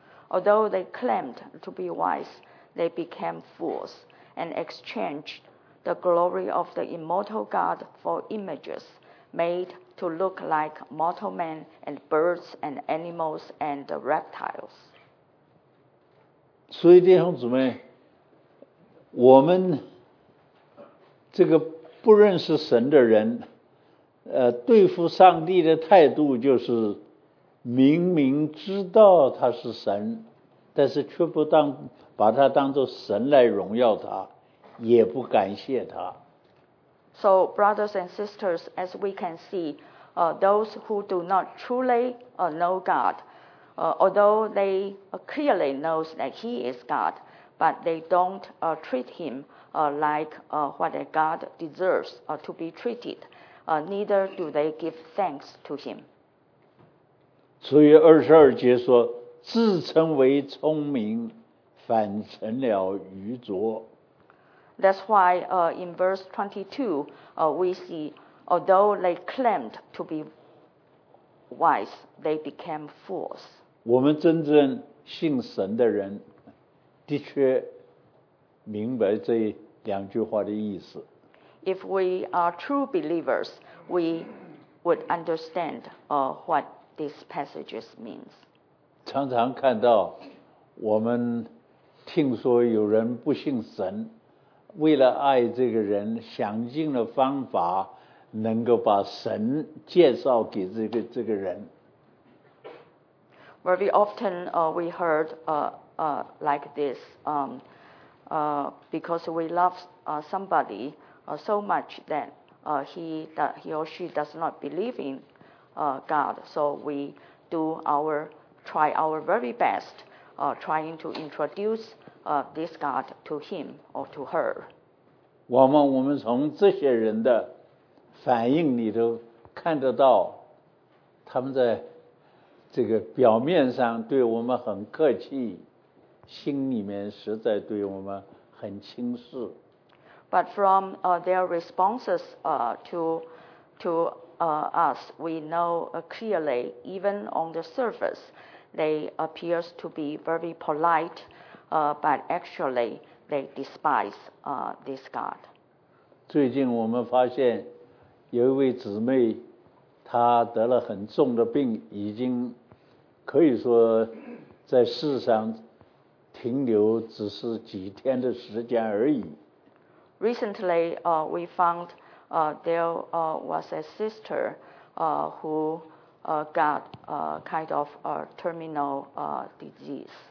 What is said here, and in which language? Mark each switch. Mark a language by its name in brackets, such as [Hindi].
[English] Although they claimed to be wise, they became fools and exchanged the glory of the immortal God for images made to look like mortal men and birds and animals and reptiles. [Chinese] 所以弟兄姊妹，我们这个不认识神的人对付上帝的态度就是明明知道他是神，但是却不当把他当作神来荣耀他，也不感谢他。 [English] So brothers and sisters, as we can see, those who do not truly know God, although they clearly know that he is God, but they don't treat him like what a God deserves to be treated, neither do they give thanks to him. [Chinese] 所以二十二节说，自称为聪明，反成了愚拙。 [English] That's why in verse 22, we see, although they claimed to be wise, they became fools. [Chinese] 我们真正信神的人的确明白这两句话的意思。 [English] If we are true believers, we would understand what these passages means. [Chinese] 常常看到我们听说有人不信神，为了爱这个人，想尽了方法能够把神介绍给这个人。 [English] Very often we heard like this, because we love somebody so much that he or she does not believe in God. So we try our very best trying to introduce this God to him or to her. [Chinese] 我们从这些人的反应里头看得到，他们在这个表面上对我们很客气，心里面实在对我们很轻视。 [English] But from their responses to us, we know clearly, even on the surface, they appear to be very polite, but actually they despise this God. [Chinese] 最近我们发现有一位姊妹，她得了很重的病，已经可以说在世上停留只是几天的时间而已。 [English] Recently, we found there was a sister who got a kind of a terminal disease.